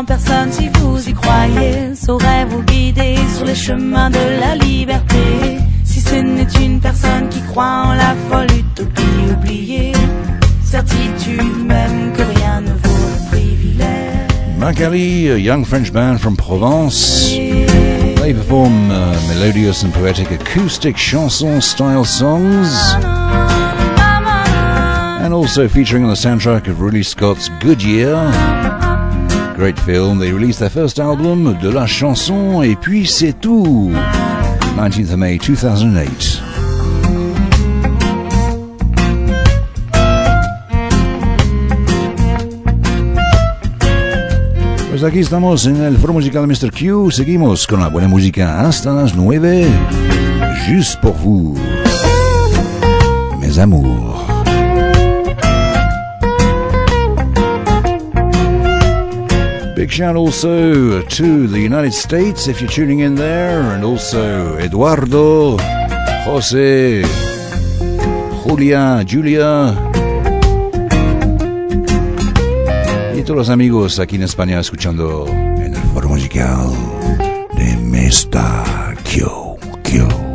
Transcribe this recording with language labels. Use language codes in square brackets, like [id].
[fr] même si vous y croyez, saurait vous guider sur les chemins de la liberté. Si ce n'est une personne qui croit en la folle utopie oubliée, certitude même que rien ne vaut le privilège. [en] Magali, a young French band from Provence. They perform melodious and poetic acoustic chanson style songs. And also featuring on the soundtrack of Ridley Scott's Good Year. Great film. They released their first album, De la Chanson, et puis c'est tout. 19th of May 2008. [es] Aquí estamos en el foro musical de Mr. Q. Seguimos con la buena música hasta las 9. [fr] Juste pour vous, mes amours. [en] Big shout also to the United States if you're tuning in there, and also Eduardo, José, Julia, Julia. [es] Todos los amigos aquí en España escuchando en el foro musical de Mr. Q.